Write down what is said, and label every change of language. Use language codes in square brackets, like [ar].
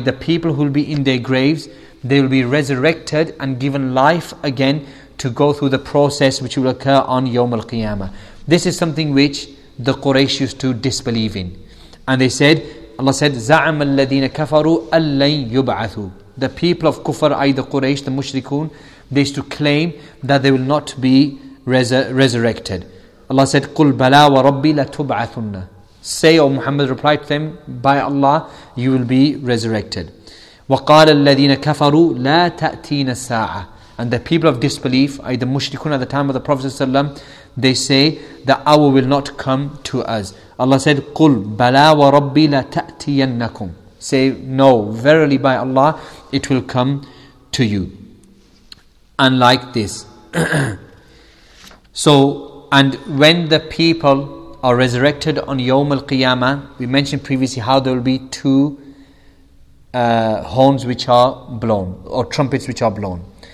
[en] the people who will be in their graves, they will be resurrected and given life again to go through the process which will occur on Yawm al-Qiyamah. This is something which the Quraysh used to disbelieve in. And they said, Allah said, [ar] زَعَمَ الَّذِينَ كَفَرُوا أَلَّنْ يُبْعَثُوا. [en] The people of Kufr, i.e. the Quraysh, the Mushrikun, they used to claim that they will not be resurrected. Allah said, [ar] قُلْ بَلَا وَرَبِّي لَتُبْعَثُنَّ. [en] Say, O Muhammad, replied to them, by Allah, you will be resurrected. [ar] وَقَالَ الَّذِينَ كَفَرُوا لَا تَأْتِينَ السَّاعَةَ. [en] And the people of disbelief, the mushrikun at the time of the Prophet ﷺ, they say, the hour will not come to us. Allah said, [ar] قُلْ بَلَا وَرَبِّي لَتَأْتِيَنَّكُمْ. [en] Say, no, verily by Allah, it will come to you. And like this. So, and when the people are resurrected on Yawm al-Qiyamah, we mentioned previously how there will be two horns which are blown, or trumpets which are blown.